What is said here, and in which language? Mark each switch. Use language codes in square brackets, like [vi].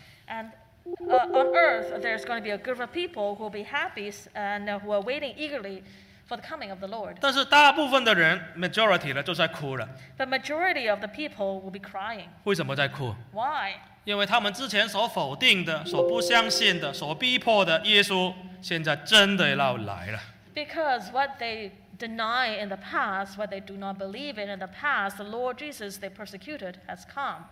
[en] And on earth, there's going to be a group of people who will be happy and who are waiting eagerly for the coming of the Lord. [zh] 但是大部分的人, majority呢,就在哭了。 [en] The majority of the people will be crying. [zh] 为什么在哭? [en] Why? [zh] 因为他们之前所否定的、所不相信的、所逼迫的耶稣现在真的要来了。 [en] Because what they deny in the past, what they do not believe in the past, the Lord Jesus they persecuted has come.